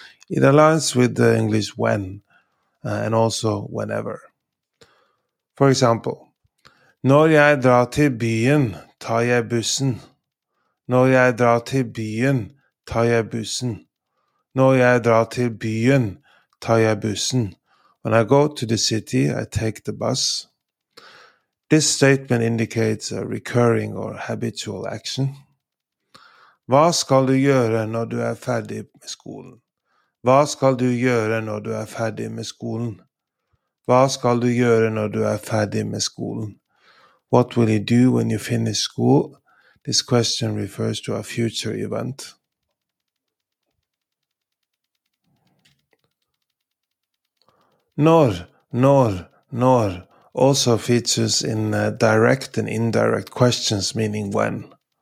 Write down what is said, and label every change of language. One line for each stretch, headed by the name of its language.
English: It aligns with the English when, and also whenever. For example,
Norwegian: når jeg drar til byen, tar jeg bussen. Når jeg drar til byen, tar jeg bussen. Når jeg drar til byen, tar jeg bussen.
English: When I go to the city, I take the bus. This statement indicates a recurring or habitual action.
Norwegian: Hva skal du gjøre når du ferdig med skolen? Hva skal du gjøre når du ferdig med skolen? Hva skal du gjøre når du ferdig med skolen?
English: What will you do when you finish school? This question refers to a future event. Når also features in direct and indirect questions meaning when.